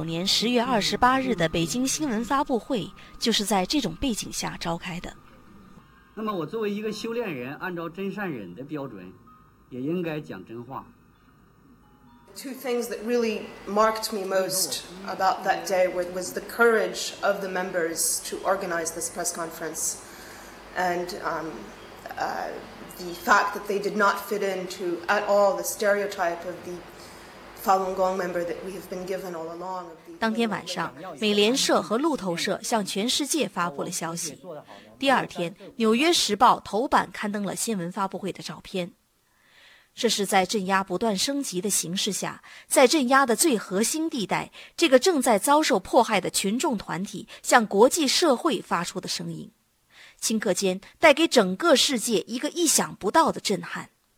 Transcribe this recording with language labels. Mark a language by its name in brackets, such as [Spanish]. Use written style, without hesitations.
[Chinese] 1999年10月28日的北京新闻发布会就是在这种背景下召开的。那么我作为一个修炼人，按照真善忍的标准，也应该讲真话。 [English] Two things that really marked me most about that day was the courage of the members to organize this press conference and the fact that they did not fit into at all the stereotype of the Falun Gong member that we have been given all along. [Chinese] 当天晚上，美联社和路透社向全世界发布了消息。第二天，纽约时报头版刊登了新闻发布会的照片。这是在镇压不断升级的形势下，在镇压的最核心地带，这个正在遭受迫害的群众团体向国际社会发出的声音，顷刻间带给整个世界一个意想不到的震撼。